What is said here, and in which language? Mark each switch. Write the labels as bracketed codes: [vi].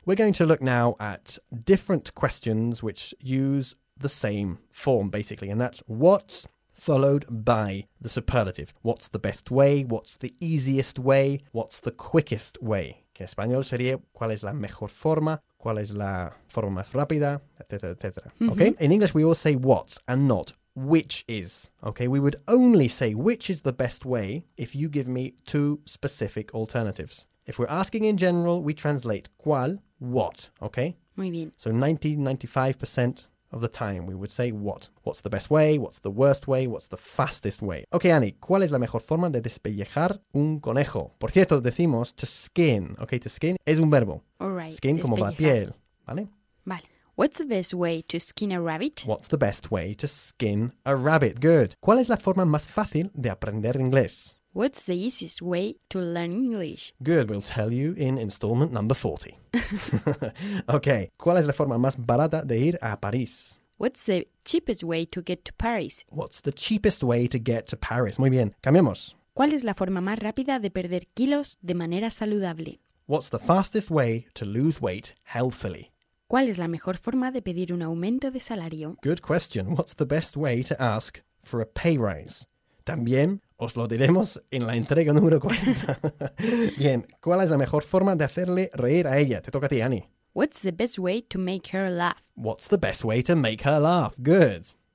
[en] We're going to look now at different questions which use the same form, basically. And that's what's followed by the superlative. What's the best way? What's the easiest way? What's the quickest way? [es] Que en español sería, ¿cuál es la mejor forma? ¿Cuál es la forma más rápida? Etcétera, etcétera. Mm-hmm. Okay? [en] In English, we all say what's and not which is. Okay? We would only say which is the best way if you give me two specific alternatives. If we're asking in general, we translate ¿cuál? What? Okay? [es] Muy bien. [en] So 90-95% of the time, we would say what? What's the best way? What's the worst way? What's the fastest way? [es] Okay, Annie, ¿cuál es la mejor forma de despellejar un conejo? Por cierto, decimos to skin. Okay, to skin es un verbo. [en] All right. [es] Skin despellejar. Como la piel. ¿Vale? Vale. [en] What's the best way to skin a rabbit? What's the best way to skin a rabbit? Good. [es] ¿Cuál es la forma más fácil de aprender inglés? [en] What's the easiest way to learn English? Good, we'll tell you in installment number 40. [es] Okay, ¿cuál es la forma más barata de ir a París? [en] What's the cheapest way to get to Paris? What's the cheapest way to get to Paris? [es] Muy bien, cambiamos. ¿Cuál es la forma más rápida de perder kilos de manera saludable? [en] What's the fastest way to lose weight healthily? [es] ¿Cuál es la mejor forma de pedir un aumento de salario? [en] Good question. What's the best way to ask for a pay rise? [es] También os lo diremos en la entrega número 40. Bien, ¿cuál es la mejor forma de hacerle reír a ella? Te toca a ti, Annie. [en] What's the best way to make her laugh? What's the best way to make her laugh? Good.